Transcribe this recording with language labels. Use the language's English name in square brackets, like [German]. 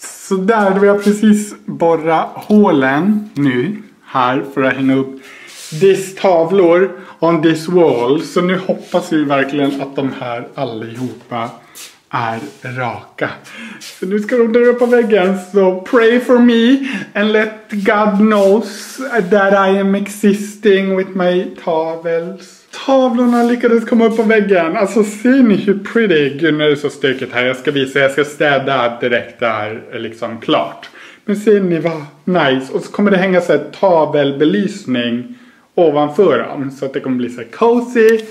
[Swedish] Så där vill jag precis borra hålen nu här för att hänga upp this tavlor [English] on this wall. [Swedish] Så nu hoppas vi verkligen att de här allihopa är raka. Så nu ska de dra upp på väggen. Så [English] pray for me. And let God knows that I am existing with my tavels. [Swedish] Tavlorna lyckades komma upp på väggen. Alltså ser ni hur pretty. Gud nu är det så stökigt här. Jag ska visa. Jag ska städa direkt där. Liksom klart. Men ser ni vad nice. Och så kommer det hänga så här tavelbelysning ovanför dem så att det kommer bli så cozy.